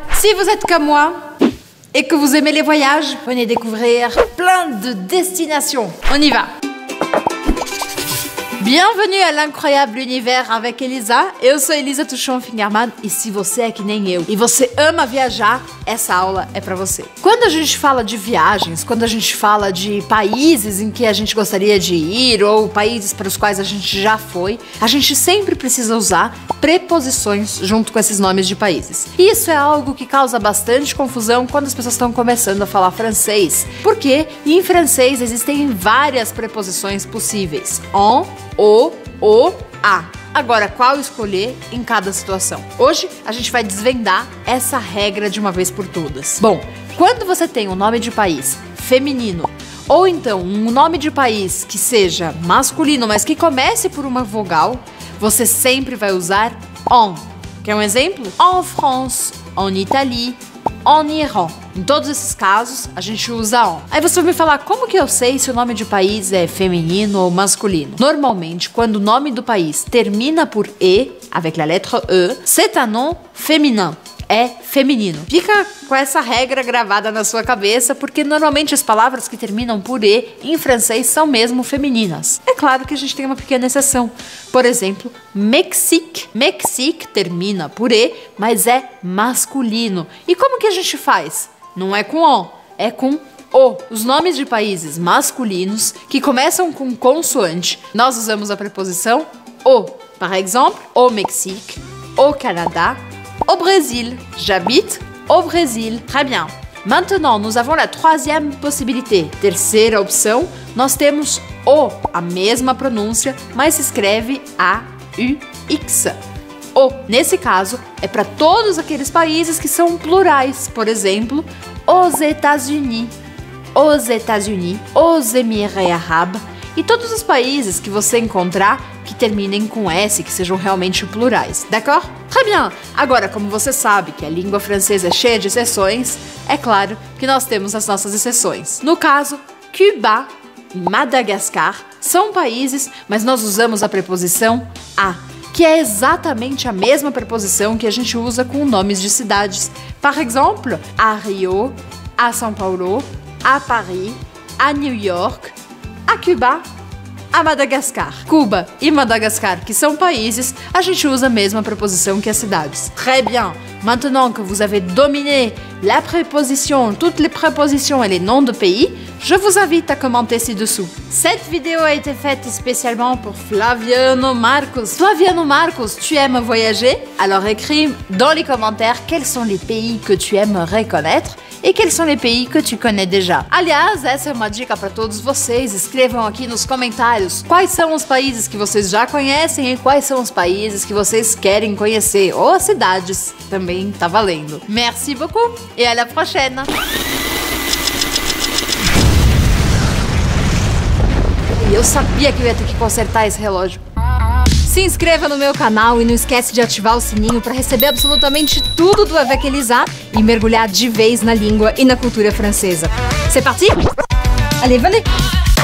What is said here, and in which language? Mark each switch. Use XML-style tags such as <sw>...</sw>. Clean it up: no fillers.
<fr>Si vous êtes comme moi et que vous aimez les voyages, venez découvrir plein de destinations. On y va. Bienvenue à l'incroyable univers avec Elisa. Et je suis Elisa Touchon-Fingerman. Et si vous êtes comme moi et vous aimez voyager, cette aula est pour vous. Quand on parle de voyages, quand on parle de pays</fr> <pt>em que a gente gostaria de ir ou pays para os quais a gente já foi, a gente sempre precisa usar preposições junto com esses nomes de países. Isso é algo que causa bastante confusão quando as pessoas estão começando a falar francês. Porque em francês existem várias preposições possíveis. En, o, a. Agora, qual escolher em cada situação? Hoje, a gente vai desvendar essa regra de uma vez por todas. Bom, quando você tem um nome de país feminino, ou então um nome de país que seja masculino, mas que comece por uma vogal, você sempre vai usar en. Quer um exemplo?</pt> <fr>En France, en Italie, en Iran.</fr> <pt>Em todos esses casos, a gente usa en. Aí você vai me falar, como que eu sei se o nome de país é feminino ou masculino? Normalmente, quando o nome do país termina por E,</pt> <fr>avec la lettre E, c'est un nom féminin.</fr> <pt>É feminino. Fica com essa regra gravada na sua cabeça, porque normalmente as palavras que terminam por E em francês são mesmo femininas. É claro que a gente tem uma pequena exceção. Por exemplo, Mexique. Mexique termina por E, mas é masculino. E como que a gente faz? Não é com O, é com O. Os nomes de países masculinos que começam com consoante, nós usamos a preposição O. Por exemplo, o Mexique, o Canadá, au Brésil.</pt> <fr>J'habite au Brésil. Très bien. Maintenant, nous avons la troisième possibilité.</fr> <pt>Terceira opção, nós temos O, a mesma pronúncia, mas se escreve A-U-X. O. Nesse caso, é para todos aqueles países que são plurais. Por exemplo,</pt> <fr>aux États-Unis. Aux États-Unis. Aux Émirés Arabes.</fr> <pt>E todos os países que você encontrar que terminem com S, que sejam realmente plurais.</pt> <fr>D'accord? Très bien!</fr> <pt>Agora, como você sabe que a língua francesa é cheia de exceções, é claro que nós temos as nossas exceções. No caso, Cuba e Madagascar são países, mas nós usamos a preposição A, que é exatamente a mesma preposição que a gente usa com nomes de cidades. Por exemplo, a Rio, a São Paulo, a Paris, a New York, a Cuba, a Madagascar. Cuba e Madagascar, que são países, a gente usa a mesma preposição que as cidades.</pt> <fr>Très bien! Maintenant que vous avez dominé la préposition, toutes les prépositions et les noms de pays, je vous invite à commenter ci-dessous. Cette vidéo a été faite spécialement pour Flaviano Marcos. Flaviano Marcos, tu aimes voyager? Alors écris dans les commentaires quels sont les pays que tu aimerais connaître et quels sont les pays que tu connais déjà.</fr> <pt>Aliás, essa é uma dica para todos vocês. Escrevam aqui nos comentários quais são os países que vocês já conhecem e quais são os países que vocês querem conhecer, ou as cidades também, tá valendo.</pt> <fr>Merci beaucoup et à la prochaine!</fr> <pt>Eu sabia que eu ia ter que consertar esse relógio. Se inscreva no meu canal e não esquece de ativar o sininho para receber absolutamente tudo do Avec Elisa e mergulhar de vez na língua e na cultura francesa.</pt> <fr>C'est parti? Allez, venez!</fr>